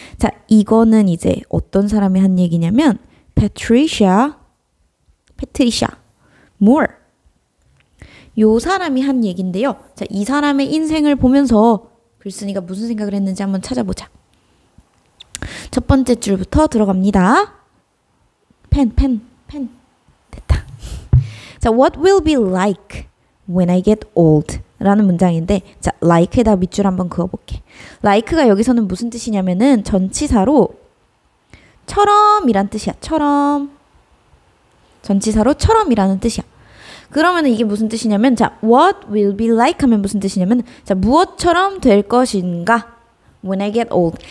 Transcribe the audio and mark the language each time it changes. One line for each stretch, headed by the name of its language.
Korean: 자, 이거는 이제 어떤 사람이 한 얘기냐면 Patricia Moore. 요 사람이 한 얘긴데요. 자, 이 사람의 인생을 보면서 글쓴이가 무슨 생각을 했는지 한번 찾아보자. 첫 번째 줄부터 들어갑니다. 펜. 됐다.
English: 자, what will be like when I get old?
Korean: 라는 문장인데, 자, like에다 밑줄 한번 그어볼게. like가 여기서는 무슨 뜻이냐면은 전치사로 처럼이란 뜻이야. 처럼. 전치사로 처럼이라는 뜻이야. 그러면 이게 무슨 뜻이냐면, 자,
English: what will be like
Korean: 하면 무슨 뜻이냐면, 자, 무엇처럼 될 것인가?
English: When I get old.